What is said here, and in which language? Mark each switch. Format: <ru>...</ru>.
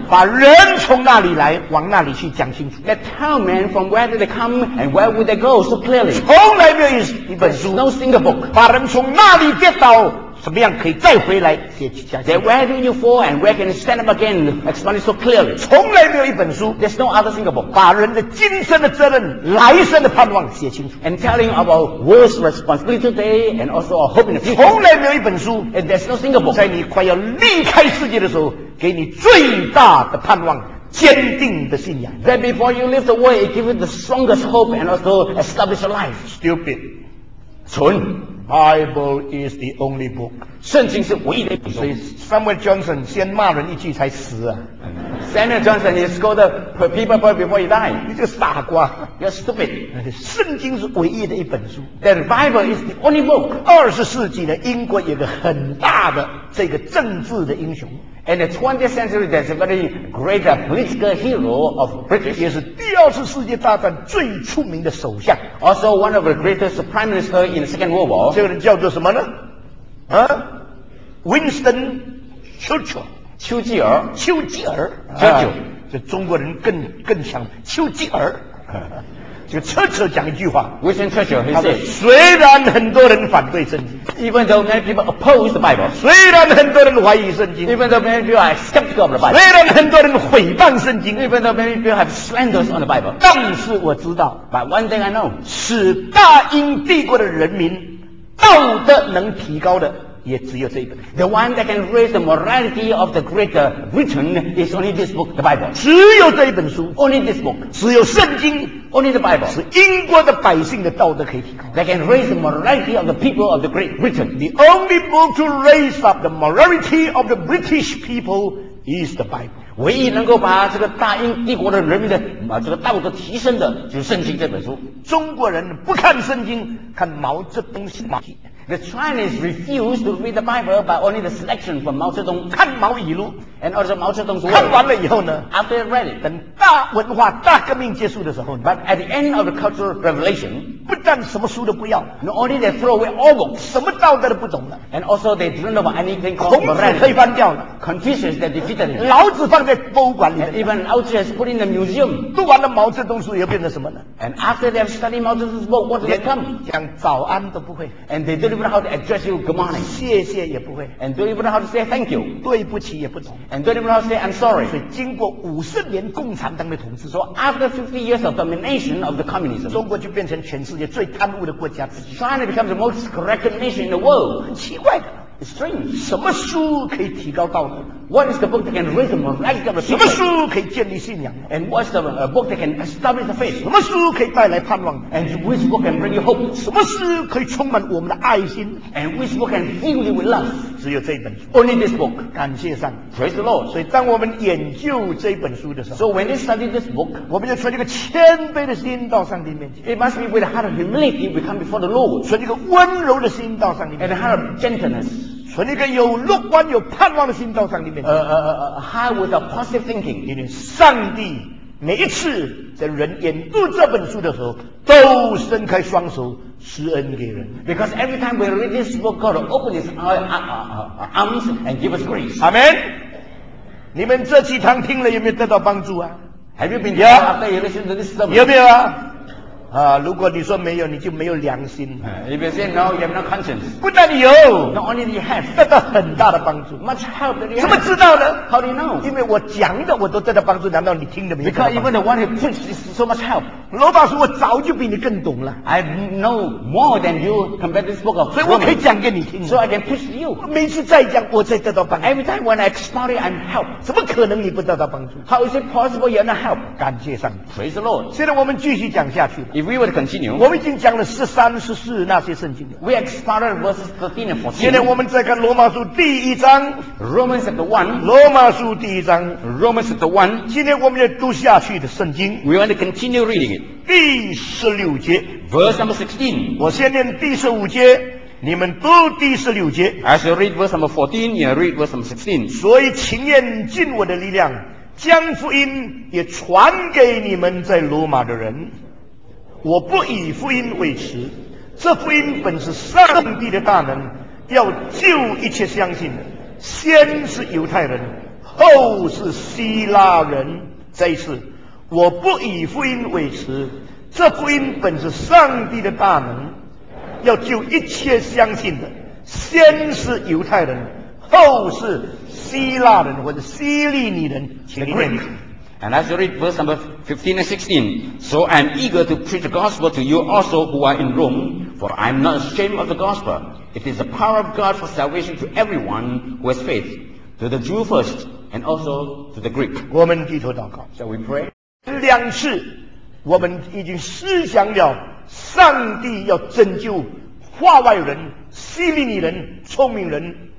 <zh>把人从那里来往那里去讲清楚。</zh> <en>They tell men from where did they come and where would they go so clearly。</en> <zh>从来没有一本书。</zh> <en>There's no single book，</en> <zh>把人从那里跌倒，怎么样可以再回来解释讲。</zh> <en>Then where did you fall and where can you stand up again？ Explain it so clearly。</en> <zh>从来没有一本书。</zh> <en>There's no other single book，</en> <zh>把人的今生的责任、来生的盼望写清楚。</zh> <en>And telling about what's responsibility today and also our hope in the future。</en> <zh>从来没有一本书。</zh> <en>And there's no single book，</en> <zh>在你快要离开世界的时候，给你最大的盼望。坚定的信仰。</zh> <en>That before you leave the world, it gives you the strongest hope and also establish your life. Stupid.</en> <zh>蠢。</zh> <en>Bible is the only book.</en> <zh>圣经是唯一的一本书。所以 Samuel Johnson 先骂人一句才死啊。</zh> <en>Samuel Johnson he scolded the people before he died.</en> <zh>你这个傻瓜。</zh> <en>You're stupid.</en> <zh>圣经是唯一的一本书。</zh> <en>The Bible is the only book.</en> <zh>20世纪的英国有个很大的这个政治的英雄。</zh> <en>And the 20th century, there's a very great political hero of British.</en> <zh>也是第二次世界大战最出名的首相。</zh> <en>Also one of the greatest prime minister in the Second World War.</en> <zh>这个人叫做什么呢？啊 ，Winston Churchill. 丘吉尔。丘吉尔。</zh> <en>Churchill.</en> <zh>这中国人更强，丘吉尔。就彻彻讲一句话</zh> <en>Winston Churchill he said</en> <zh>虽然很多人反对圣经</zh> <en>Even though many people oppose the Bible</en> <zh>虽然很多人怀疑圣经</zh> <en>Even though many people are skeptical of the Bible</en> <zh>虽然很多人毁谤圣经</zh> <en>Even though many people have slanders on the Bible</en> <zh>但是我知道</zh> <en>But one thing I know</en> <zh>使大英帝国的人民道德能提高的也只有这一本</zh> <en>The one that can raise the morality of the greater Britain is only this book, the Bible.</en> <zh>只有这一本书</zh> <en>Only this book.</en> <zh>只有圣经</zh> <en>Only the Bible.</en> <zh>是英国的百姓的道德可以提高</zh> <en>That can raise the morality of the people of the Great Britain. The only book to raise up the morality of the British people is the Bible.</en> <zh>唯一能够把这个大英帝国的人民的这个道德提升的就是圣经这本书中国人不看圣经看毛泽东新马</zh> <en>The Chinese refuse to read the Bible by only the selection from Mao Zedong.</en> <zh>看毛语录</zh> <en>and also Mao Zedong's words.</en> <zh>看完了以后呢</zh> <en>after they read it,</en> <zh>等大文化大革命结束的时候</zh> <en>but at the end of the Cultural Revolution,</en> <zh>不但什么书都不要</zh> <en>not only they throw away all books,</en> <zh>什么道德都不懂了</zh> <en>and also they don't know about anything called morality.</en> <zh>孔子推翻掉了</zh> <en>Confucius they defeated him.</en> <zh>老子放在博物馆里面</zh> <en>and even Lao Tzu has put in the museum.</en> <zh>读完了毛泽东书又变成什么呢</zh> <en>and after they have studied Mao Zedong's book, what do they come?</en> <zh>讲早安都不会</zh> <en>and they don't even know how to address you good morning</en> <zh>谢谢也不会</zh> <en>and don't even know how to say thank you</en> <zh>对不起也不懂</zh> <en>and don't even know how to say I'm sorry</en> <zh>所以经过50年共产党的统治</zh> <en>so after 50 years of domination of the communism</en> <zh>中国就变成全世界最贪污的国家</zh> <en>China becomes the most corrupt nation in the world</en> <zh>奇怪的</zh> <en>it's strange</en> <zh>什么书可以提高道德</zh> <en>what is the book that can raise the morality of the people</en> <zh>什么书可以建立信仰</zh> <en>and what's the book that can establish the faith</en> <zh>什么书可以带来盼望</zh> <en>and which book can bring you hope</en> <zh>什么书可以充满我们的爱心</zh> <en>and which book can fill you with love</en> <zh>只有这一本书</zh> <en>only this book</en> <zh>感谢上</zh> <en>praise the Lord</en> <zh>所以当我们研究这本书的时候</zh> <en>so when we study this book</en> <zh>我们要存一个谦卑的心到上帝面前</zh> <en>it must be with a heart of humility we come before the Lord</en> <zh>存一个温柔的心到上帝面前</zh> <en>and a heart of gentleness</en> <zh>存一个有乐观有盼望的心到上帝面前</zh> <en>How with a positive thinking</en> <zh>因为上帝每一次在人研读这本书的时候都伸开双手施恩给人</zh> <en>Because every time we read this book God will open his arms and give us grace</en> <zh>Amen 你们这几堂听了有没有得到帮助啊</zh> <en>Have you been there yeah, after you listen to this sermon</en> <zh>有没有啊如果你说没有，你就没有良心。</zh> <en>If you say no, you have no conscience.</en> <zh>不但有</zh> <en>，Not only you have，</en> <zh>得到很大的帮助。</zh> <en>Much help that you</en> <zh>怎么知道呢</zh> <en>？How do you know？</en> <zh>因为我讲的我都得到帮助，难道你听的没有</zh> <en>？Because even the one who preaches is so much help.</en> <zh>罗大叔，我早就比你更懂了。</zh> <en>I know more than you compared to this book of.</en> <zh>所以我可以讲给你听。</zh> <en>So I can preach to you.</en> <zh>每次再讲，我再得到帮助。</zh> <en>Every time when I expound it, I'm help.</en> <zh>怎么可能你不得到帮助</zh> <en>？How is it possible you're not help？</en> <zh>感谢上帝</zh> <en>，Praise the Lord。</en> <zh>现在我们继续讲下去。</zh> <en>We would continue.</en> <zh>我们已经讲了十三、十四那些圣经。</zh> <en>We expounded verses 13 and 14.</en> <zh>现在我们再看罗马书第一章。</zh> <en>Romans chapter 1.</en> <zh>罗马书第一章。</zh> <en>Romans chapter 1.</en> <zh>今天我们要读下去的圣经。</zh> <en>We want to continue reading it.</en> <zh>第十六节。</zh> <en>Verse number 16.</en> <zh>我先念第十五节，你们读第十六节。</zh> <en>As you read verse number 14, you read verse number 16.</en> <zh>所以情愿尽我的力量，将福音也传给你们在罗马的人。我不以福音为耻，这福音本是上帝的大能，要救一切相信的，先是犹太人，后是希腊人。这一次我不以福音为耻，这福音本是上帝的大能，要救一切相信的，先是犹太人，后是希腊人或者希利尼人。请你念。</zh> <en>And as you read verse number 15 and 16, so I am eager to preach the gospel to you also who are in Rome, for I am not ashamed of the gospel. It is the power of God for salvation to everyone who has faith, to the Jew first, and also to the Greek.</en> <zh>我们低头祷告。</zh> <en>Shall we pray?</en> <zh>两次我们已经思想了上帝要拯救话外人、希利尼人、聪明人。</zh>